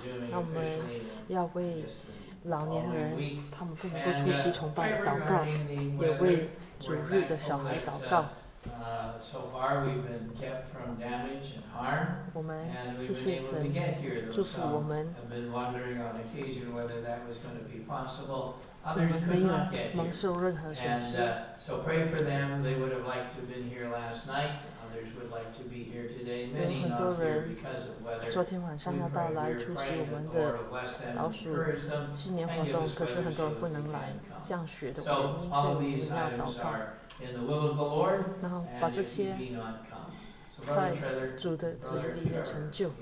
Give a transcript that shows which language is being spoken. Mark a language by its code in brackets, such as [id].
[zh] 那我们要为老年人他们不能够出席崇拜祷告，也为主日的小孩祷告。 [en] So far, we've been kept from damage and harm, and we've been able to get here. Those have been wondering on occasion whether that was going to be possible. Others could not get here. And so pray for them. They would have liked to have been here last night. Others would like to be here today. Many not here because of weather. [zh] 昨天晚上要到来出席我们的倒数新年活动，可是很多人不能来，降雪的原因，所以我们要祷告。 [en] In the will of the Lord, and if he be not come. So Brother Trevor, please.